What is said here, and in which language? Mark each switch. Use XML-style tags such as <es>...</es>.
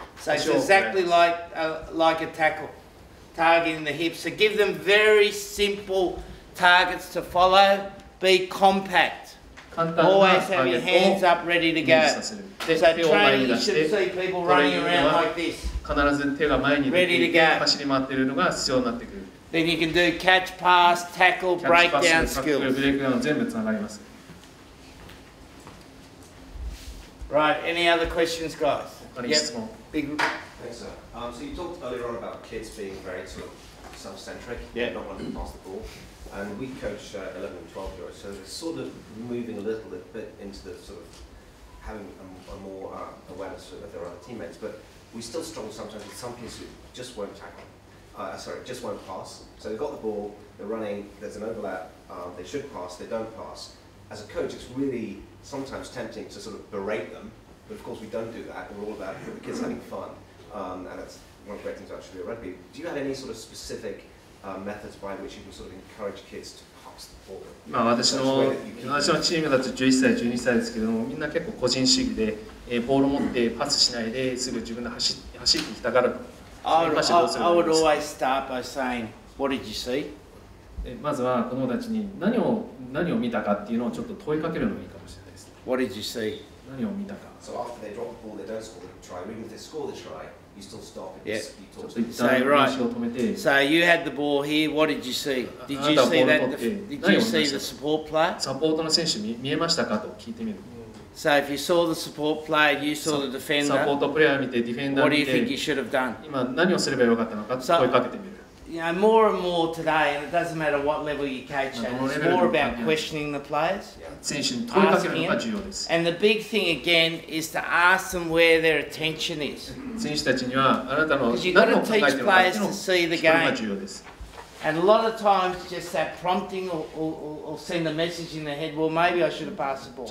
<en>So it's exactly like a tackle, targeting the hips. So give them very simpleTargets to follow, be compact. Always have your hands up ready to go. So training, you should see people running around like this.</en> <ja>必ず手が前に出ていて走り回っているのが必要になってくる。</ja> <en>Then you can do catch pass, tackle, breakdown skills.</en> <ja>ブレイクダウン全部つながります。</ja> <en>Right, any other questions, guys?</en> <ja>他に質問。</ja> <en>Big. Thanks, sir. So you talked earlier on about kids being very sort of self-centric, yeah, not wanting to pass the ball. And we coach 11 and 12 year olds, so it's sort of moving a little bit into the sort of having a more awareness of their other teammates. But we still struggle sometimes with some kids who just won't tackle, just won't pass. So they've got the ball, they're running, there's an overlap, they should pass, they don't pass. As a coach, it's really sometimes tempting to sort of berate them, but of course we don't do that. We're all about the kids having fun, and that's one of the great things about Shibuya Rugby. Do you have any sort of specific... methods by which you can sort of encourage kids to pass the ball.</en> <ja>まあ私のチームだと11歳、12歳ですけども、みんな結構個人主義で、ボールを持ってパスしないですぐ自分で走ってきたから。</ja> <en>I would always start by saying, what did you see?</en> <ja>まずは子供たちに何を見たかっていうのをちょっと問いかけるのがいいかもしれないです。</ja> <en>What did you see?</en> <ja>何を見たか。</ja> <en>So after they drop the ball, they don't score the try. Even if they score the try, So you had the ball here, what did you see? Did you see that? Did you see the support player?</en> <ja>サポートの選手見えましたかと聞いてみる。</ja> <en>So if you saw the support player, you saw the defender,</en> <ja>サポートプレイヤー見てディフェンダー見て</ja> <en>What do you think you should have done?</en> <ja>今何をすればよかったのか問いかけてみる。</ja> <en>you know, more and more today, and it doesn't matter what level you catch at, it's more about questioning the players. Asking them. And the big thing again is to ask them where their attention is. Because you've got to teach players to see the game. And a lot of times, just that prompting or send a message in their head, well, maybe I should have passed the ball.</en>